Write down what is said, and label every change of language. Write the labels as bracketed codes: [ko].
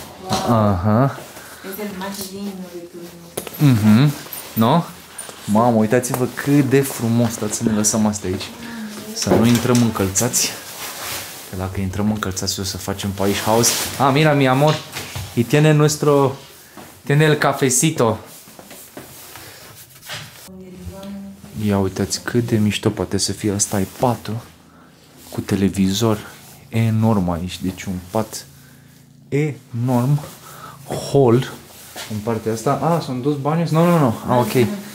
[ro] Aha. Mhm. No? Mamă, uitați-vă cât de frumos, stați să ne lăsăm astea aici. Să nu intrăm încălțați. Că dacă intrăm încălțați o să facem pe aici haos. [es] Ah, mira, mi amor. Y tiene nuestro tiene el cafecito. [ro] Ia uitați cât de mișto poate să fie ăsta, e patul cu televizor enorm aici, deci un pat enorm, hol în partea asta. Ah, sunt dus banii? Nu. Ah, ok.